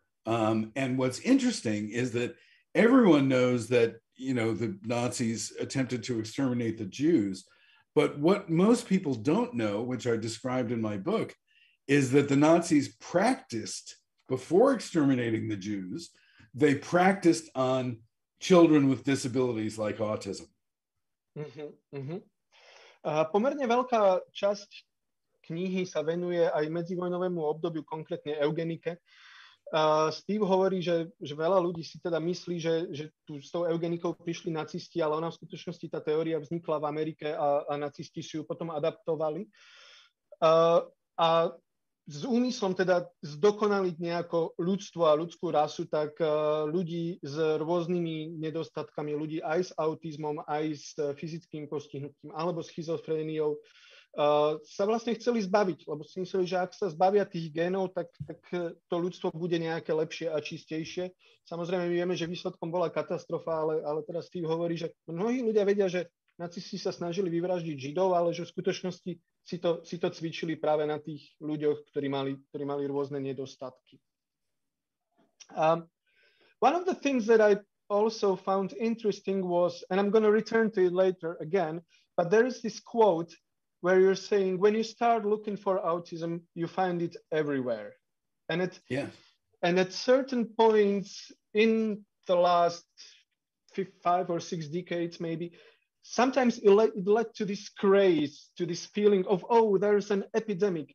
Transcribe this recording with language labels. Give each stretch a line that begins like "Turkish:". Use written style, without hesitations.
English: And what's interesting is that everyone knows that, you know, the Nazis attempted to exterminate the Jews. But what most people don't know, which I described in my book, is that the Nazis practiced before exterminating the Jews, they practiced on children with disabilities like autism. Mm-hmm, mm-hmm.
Slovak: Pomerne veľká časť knihy sa venuje aj medzivojnovému obdobiu, konkrétne eugenike. Steve hovorí, že veľa ľudí si teda myslí, že tu s tou eugenikou prišli nacisti, ale ona v skutočnosti tá teória vznikla v Amerike a nacisti si ju potom adaptovali. A s úmyslom teda zdokonaliť nejako ľudstvo a ľudskú rasu, tak ľudí s rôznymi nedostatkami, ľudí aj s autizmom, aj s fyzickým postihnutím alebo schizofréniou, sa vlastne chceli zbaviť, lebo si mysleli, že ak sa zbavia tých génov, tak to ľudstvo bude nejaké lepšie a čistejšie. Samozrejme, my vieme, že výsledkom bola katastrofa, ale teraz Steve hovorí, že mnohí ľudia vedia, že nacisti sa snažili vyvraždiť Židov, ale že v skutočnosti si to cvičili práve na tých ľuďoch, ktorí mali rôzne nedostatky.
English: One of the things that I also found interesting was, and I'm going to return to it later again, but there is this quote where you're saying, when you start looking for autism, you find it everywhere. And at certain points in the last 5 or 6 decades, maybe, sometimes it led to this craze, to this feeling of, oh, there's an epidemic.